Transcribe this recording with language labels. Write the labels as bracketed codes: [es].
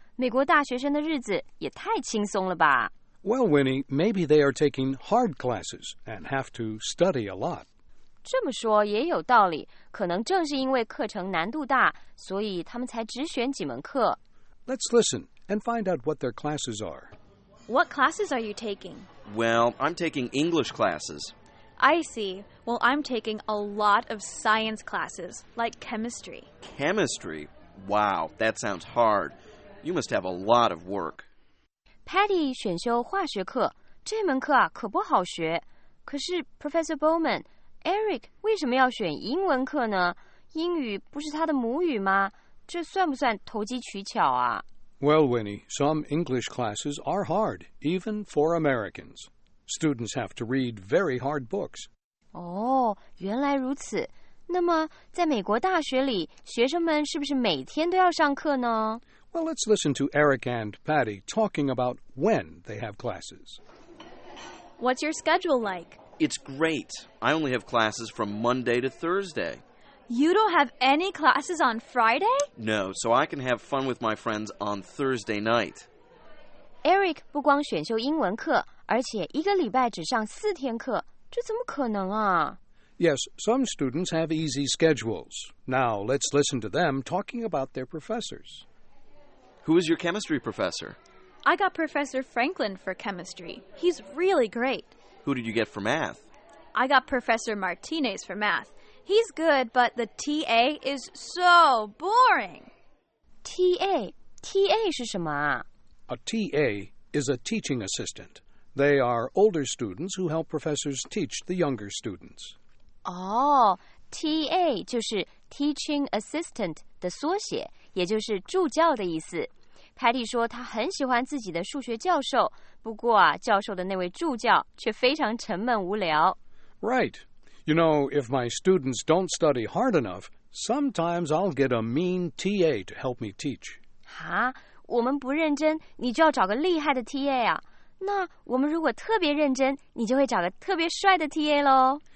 [zh] 美国大学生的日子也太轻松了吧。 [en] Well, Winnie, maybe they are taking hard classes and have to study a lot. 这么说也有道理，可能正是因为课程难度大，所以他们才只选几门课。 Let's listen and find out what their classes are. What classes are you taking? Well, I'm taking English classes. I see. Well, I'm taking a lot of science classes, like chemistry. Chemistry? Wow, that sounds hard. You must have a lot of work. [zh] Patty 选修化学课，这门课啊可不好学。可是 Professor Bowman... Eric, 为什么要选英文课呢？英语不是他的母语吗？这算不算投机取巧啊？ [en] Well, Winnie, some English classes are hard, even for Americans. Students have to read very hard books. [zh] 哦，原来如此。那么，在美国大学里，学生们是不是每天都要上课呢？ [en] Well, let's listen to Eric and Patty talking about when they have classes. What's your schedule like? It's great. I only have classes from Monday to Thursday. You don't have any classes on Friday? No, so I can have fun with my friends on Thursday night. [zh] Eric 不光选修英文课，而且一个礼拜只上四天课，这怎么可能啊？ [en] Yes, some students have easy schedules. Now, let's listen to them talking about their professors. Who is your chemistry professor? I got Professor Franklin for chemistry. He's really great. Who did you get for math? I got Professor Martinez for math. He's good, but the TA is so boring. [zh] TA? TA 是什么啊? [en] A TA is a teaching assistant. They are older students who help professors teach the younger students. [zh] Oh, TA 就是 teaching assistant 的缩写，也就是助教的意思。凯蒂说她很喜欢自己的数学教授，不过啊，教授的那位助教却非常沉闷无聊。 [en] Right. You know, if my students don't study hard enough, sometimes I'll get a mean TA to help me teach. [zh] 哈，我们不认真，你就要找个厉害的 TA 啊。那我们如果特别认真，你就会找个特别帅的 TA 咯。